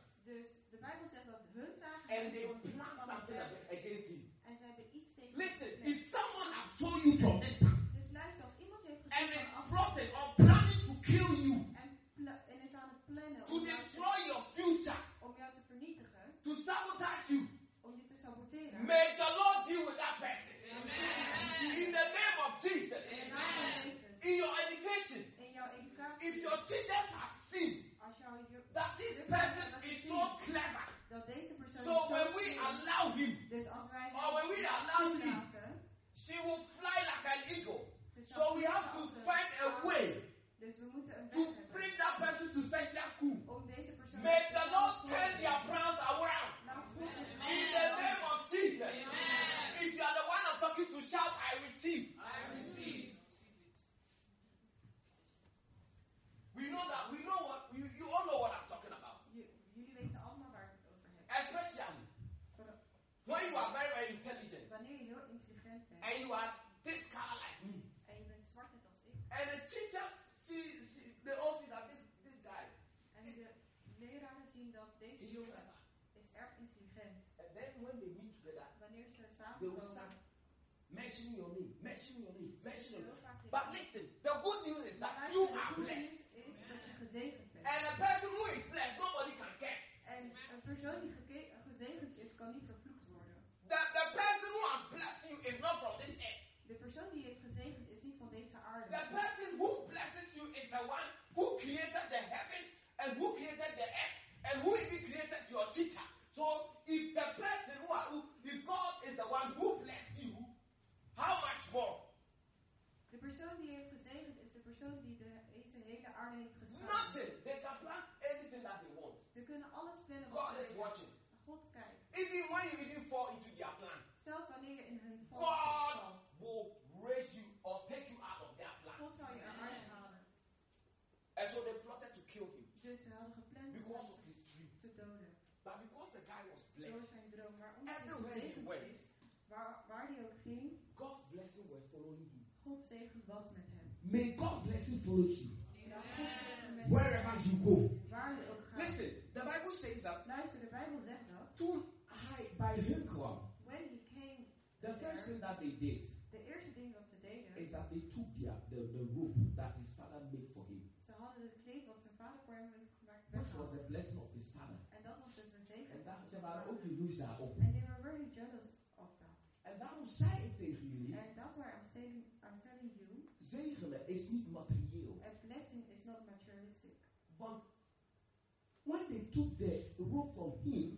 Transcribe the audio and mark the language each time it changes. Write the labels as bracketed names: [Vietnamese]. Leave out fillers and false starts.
[Dutch] Dus de Bijbel zegt dat hun zaken. [English] And they plant something against him. [Dutch] En ze hebben iets tegen. [English] Listen, if someone has stolen you from this house. [Dutch] Dus luister, als iemand heeft gestolen. [English] And is plotting or planning to kill you. [Dutch] En is aan het plannen. [English] To destroy your future. [Dutch] Om jou te vernietigen. [English] To sabotage you. [Dutch] Om je te saboteren. [English] May the Lord deal with that person. Amen. In the name of Jesus. Amen. In your education. [Dutch] In jouw educatie. [English] If your teachers have seen. That this person is so clever. So when we allow him, or when we allow him, she will fly like an eagle. So we have to find a way to bring that person to special school. May the Lord turn their plans around. In the name of Jesus. If you are the one I'm talking to, shout, I receive. I receive. We know that, we know what, you all know what I'm talking about. [Dutch] Jullie weten allemaal waar ik het over heb. [English] Especially, when you are very, very intelligent. [Dutch] Wanneer je heel intelligent bent. [English] And you are this color like me. [Dutch] En je bent zwart net als ik. [English] And the teachers see they all see that this guy. [Dutch] En de leraren zien dat deze jongen is erg intelligent. [English] And then when they meet together. [Dutch] Wanneer ze samen [English] they will start mentioning your name, mentioning your name, mentioning your name. But listen, the good news is that you are blessed. And a person who is blessed, nobody can guess. [Dutch] En een persoon die gezegend is, kan niet vervloekt worden. [English] The person who has blessed you is not from this earth. [Dutch] De persoon die heeft gezegend is niet van deze aarde. [English] The person who blesses you is the one who created the heaven and who created the earth and who even created your teacher. So if the person if God is the one who blessed you, how much more? [Dutch] De persoon die heeft gezegend is de persoon die deze hele aarde heeft geschapen. [English] Nothing. They can plan anything that they want. [Dutch] Ze kunnen alles plannen. [English] God is watching. [Dutch] God kijkt. [English] Even when you even fall into their plan. [Dutch] Zelfs wanneer je in hun plan. [English] God will raise you or take you out of their plan. [Dutch] God zal je eruit halen. [English] And so they plotted to kill him. [Dutch] Dus ze hadden gepland. [English] Because of his dream. [Dutch] Te doden. [English] But because the guy was blessed. [Dutch] Door zijn droom. Maar omdat hij gezegend is. Waar hij ook ging. [English] God's blessing was following him. [Dutch] God zegen was met hem. [English] May God bless you, follow you. Amen. Wherever you go. [Dutch] Waar je ook gaat. [English] Listen, the Bible says that. [Dutch] Luister, de Bijbel zegt dat. Toen hij bij hun kwam. [English] When he came. The first thing that they did. [Dutch] De eerste ding dat ze deden. [English] Is that they took the robe that his father made for him. [Dutch] Ze hadden het kleed wat zijn vader voor hem had gemaakt. [English] Which was a blessing of his father. [Dutch] En dat was dus een zegen. [English] And that [Dutch] ze waren ook jaloers daarop. [English] And they were very jealous. [Dutch] En daarom zei ik tegen jullie. En dat waar [English] I'm telling you. [Dutch] Zegenen is niet materieel. [English] A blessing is not materialistic. [Dutch] Want [English] when they took the robe from him.